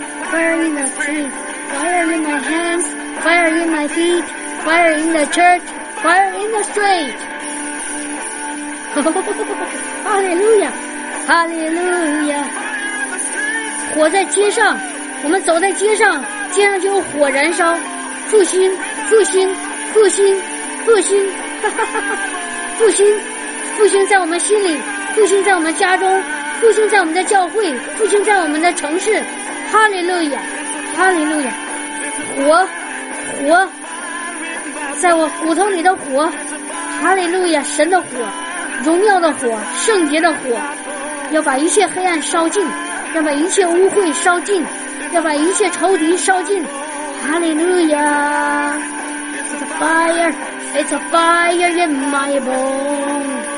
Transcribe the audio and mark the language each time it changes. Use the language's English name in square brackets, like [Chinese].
[English] Fire in the street, fire in my hands, fire in my feet, fire in the church, fire in the street. [Chinese] 哈哈哈哈哈哈，哈利路亚，哈利路亚！火在街上，我们走在街上，街上就有火燃烧，复兴，复兴，复兴，复兴，复兴，复兴在我们心里，复兴在我们家中，复兴在我们的教会，复兴在我们的城市，哈利路亚，哈利路亚！火，在我骨头里的火，哈利路亚，神的火。荣耀的火，圣洁的火，要把一切黑暗烧尽，要把一切污秽烧尽，要把一切仇敌烧尽。 [English] Hallelujah, it's a fire in my bone.